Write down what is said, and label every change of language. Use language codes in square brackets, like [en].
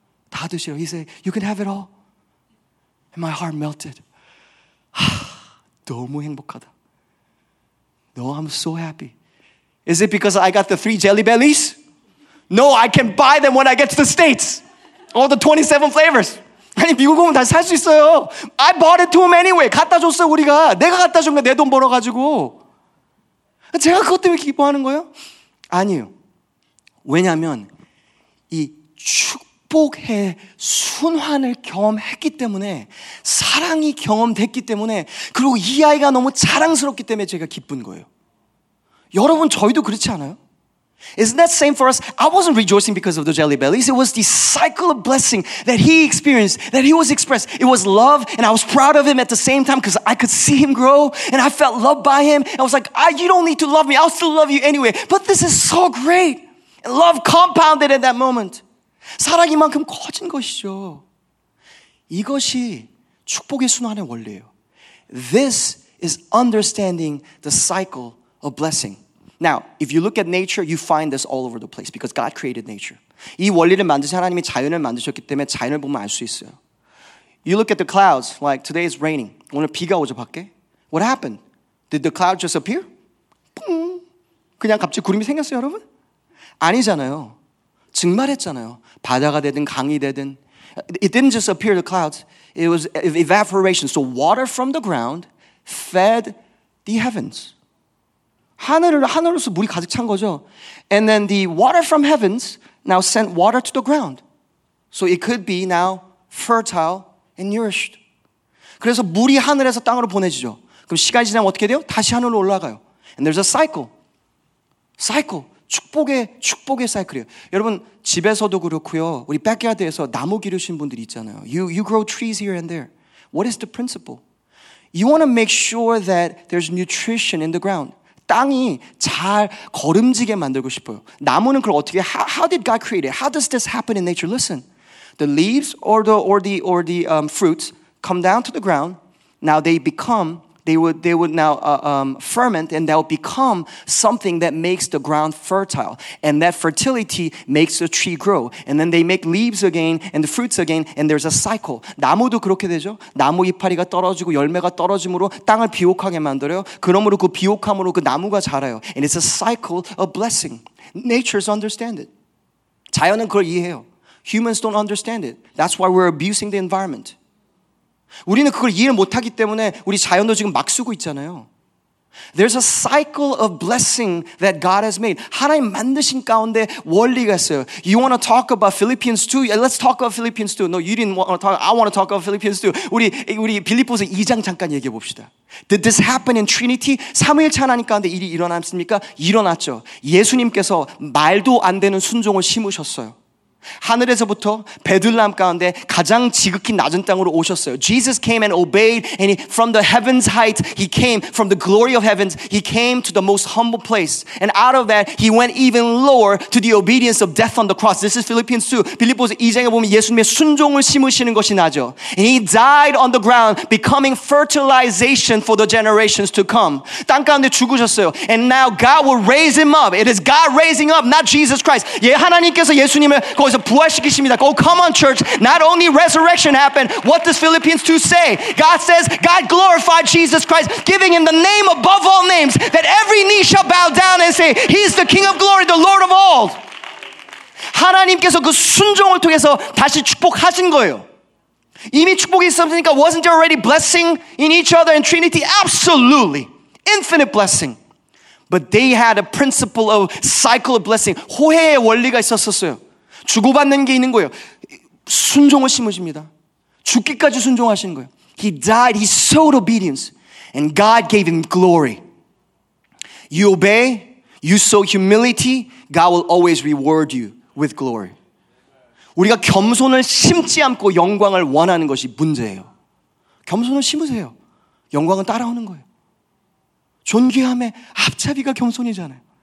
[ko] 다 드시라고. [en] He said, you can have it all. And my heart melted. [ko] 하, 너무 행복하다. [en] No, I'm so happy. Is it because I got the 3 jelly bellies? No, I can buy them when I get to the States. All the 27 flavors. [ko] 아니, 미국 오면 다시 살 수 있어요. [en] I bought it to him anyway. [ko] 갖다 줬어요, 우리가. 내가 갖다 준 거, 내 돈 벌어가지고. 제가 그것 때문에 기뻐하는 거예요? 아니요. 왜냐면, 이 축복의 순환을 경험했기 때문에 사랑이 경험됐기 때문에 그리고 이 아이가 너무 자랑스럽기 때문에 제가 기쁜 거예요. 여러분 저희도 그렇지 않아요? [en] Isn't that same for us? I wasn't rejoicing because of the jelly bellies. It was the cycle of blessing that he experienced, that he was expressed. It was love, and I was proud of him at the same time because I could see him grow, and I felt loved by him. I was like, you don't need to love me. I'll still love you anyway. But this is so great. Love compounded in that moment. [ko] 사랑이만큼 커진 것이죠. 이것이 축복의 순환의 원리예요. This [en] is understanding the cycle of blessing. Now, if you look at nature, you find this all over the place because God created nature. [ko] 이 원리를 만드신 하나님이 자연을 만드셨기 때문에 자연을 보면 알 수 있어요. [en] You look at the clouds, like today is raining. [ko] 오늘 비가 오죠, 밖에? [en] What happened? Did the cloud just appear? 뿡! [ko] 그냥 갑자기 구름이 생겼어요, 여러분? 아니잖아요. 증발했잖아요. 바다가 되든 강이 되든. [en] It didn't just appear, the clouds. It was evaporation. So water from the ground fed the heavens. 하늘을 하늘로서 물이 가득 찬 거죠. And then the water from heavens now sent water to the ground. So it could be now fertile and nourished. [ko] 그래서 물이 하늘에서 땅으로 보내지죠. 그럼 시간이 지나면 어떻게 돼요? 다시 하늘로 올라가요. [en] And there's a cycle. Cycle. [ko] 축복의 사이클이에요. 여러분 집에서도 그렇고요. 우리 백야드에서 나무 기르신 분들이 있잖아요. [en] You grow trees here and there. What is the principle? You want to make sure that there's nutrition in the ground. [ko] 땅이 잘 거름지게 만들고 싶어요. 나무는 그걸 어떻게 [en] how did God create it? How does this happen in nature? Listen, the leaves or the fruits come down to the ground. Now they become they would now ferment and that would become something that makes the ground fertile. And that fertility makes the tree grow. And then they make leaves again and the fruits again and there's a cycle. [ko] 나무도 그렇게 되죠. 나무 이파리가 떨어지고 열매가 떨어짐으로 땅을 비옥하게 만들어요. 그러므로 그 비옥함으로 그 나무가 자라요. [en] And it's a cycle of blessing. Nature's understand it. [ko] 자연은 그걸 이해해요. [en] Humans don't understand it. That's why we're abusing the environment. [ko] 우리는 그걸 이해를 못하기 때문에 우리 자연도 지금 막 쓰고 있잖아요. [en] There's a cycle of blessing that God has made. [ko] 하나님 만드신 가운데 원리가 있어요. [en] You want to talk about Philippians 2? Let's talk about Philippians 2. No, you didn't want to talk. I want to talk about Philippians 2. [ko] 우리 빌립보서 2장 잠깐 얘기해 봅시다. [en] Did this happen in Trinity? [ko] 삼위일체 하나님 가운데 일이 일어났습니까? 일어났죠. 예수님께서 말도 안 되는 순종을 심으셨어요. 하늘에서부터 베들레헴 가운데 가장 지극히 낮은 땅으로 오셨어요. [en] Jesus came and obeyed and from the heaven's height he came from the glory of heavens he came to the most humble place and out of that he went even lower to the obedience of death on the cross. This is Philippians 2. [ko] 빌립보서 2장에 보면 예수님의 순종을 심으시는 것이 나죠. [en] And he died on the ground becoming fertilization for the generations to come. [ko] 땅 가운데 죽으셨어요. [en] And now God will raise him up. It is God raising up not Jesus Christ. [ko] 예 하나님께서 예수님을 거기서 부활시키십니다. [en] Oh, come on, church. Not only resurrection happened. What does Philippians 2 say? God says, God glorified Jesus Christ, giving him the name above all names, that every knee shall bow down and say, He's the King of glory, the Lord of all. [ko] 하나님께서 그 순종을 통해서 다시 축복하신 거예요. 이미 축복이 있었으니까 [en] wasn't there already blessing in each other in Trinity? Absolutely. Infinite blessing. But they had a principle of cycle of blessing. [ko] 호혜의 원리가 있었었어요. 주고받는 게 있는 거예요. 순종을 심으십니다. 죽기까지 순종하신 거예요. [en] He died, he sowed obedience, and God gave him glory. You obey, you sow humility, God will always reward you with glory. [ko] 우리가 겸손을 심지 않고 영광을 원하는 것이 문제예요. 겸손을 심으세요. 영광은 따라오는 거예요. 존귀함의 앞차비가 겸손이잖아요.